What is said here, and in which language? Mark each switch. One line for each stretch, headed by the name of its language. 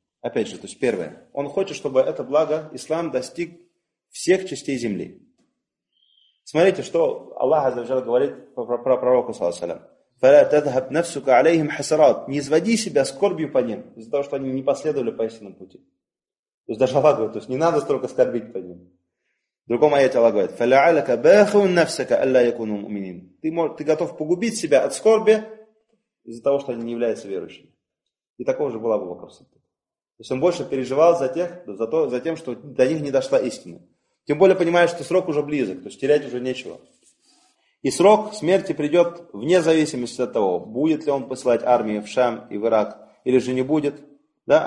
Russian: Опять же, то есть первое. Он хочет, чтобы это благо, ислам, достиг всех частей земли. Смотрите, что Аллах Азаджал говорит про пророка, саллаллаху алейхи ва саллям.
Arabic: فَلَا تَذْهَبْ نَفْسُكَ عَلَيْهِمْ حَسَرَاتٍ.
Russian: Не изводи себя скорбью по ним, из-за того, что они не последовали по истинному пути. То есть даже Аллах говорит, то есть не надо столько скорбить по ним. В другом аяте Аллах говорит,
Arabic: فَلَعَلَكَ بَاخُوا نَفْسَكَ أَلَّا يَكُنُوا مُؤْمِنِينَ.
Russian: Ты готов погубить себя от скорби из-за того, что они не являются верующими. И такого же была бы вопрос. То есть он больше переживал за тем, что до них не дошла истина. Тем более понимаешь, что срок уже близок, то есть терять уже нечего. И срок смерти придет вне зависимости от того, будет ли он посылать армии в Шам и в Ирак, или же не будет. Да?